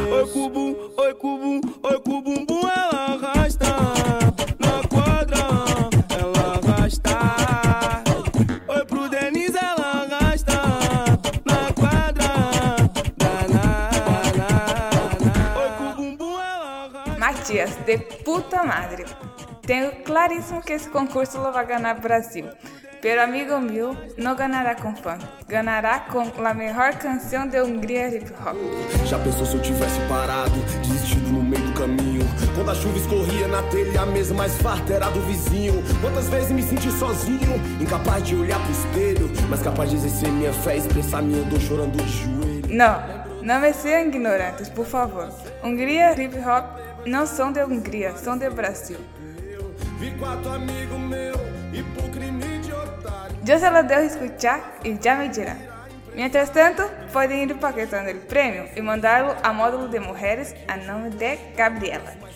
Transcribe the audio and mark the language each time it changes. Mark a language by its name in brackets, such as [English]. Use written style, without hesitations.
[Portuguese] Oi, cubo, oi, cubo, oi, cubo, bum, ela arrasta na quadra, ela arrasta. Oi, pro Denis, ela arrasta na quadra, na, na, na, na. Oi, cubo, bum, ela arrasta. [Spanish] Matias, de puta madre. [Portuguese] Tenho claríssimo que esse concurso [Spanish] lo [Portuguese] vai ganhar Brasil. [Spanish] Pero amigo mío, no ganará con funk, ganará con la mejor canción de Hungría hip hop. [Portuguese] Já pensou se eu tivesse parado, desistido no meio do caminho? Quando a chuva escorria na telha, a mesa mais farta era do vizinho. Quantas vezes me senti sozinho, incapaz de olhar pro espelho, mas capaz de exercer minha fé e expressar minha dor chorando de joelho. Não me sejam ignorantes, por favor. Hungría hip hop não são de Hungria, são de Brasil. Vi quatro amigos meus, hipocrisia. [Spanish] Yo se los dejo escuchar y ya me dirán. Mientras tanto, pueden ir paquetando el premio y mandarlo a Módulo de Mujeres a nombre de Gabriela.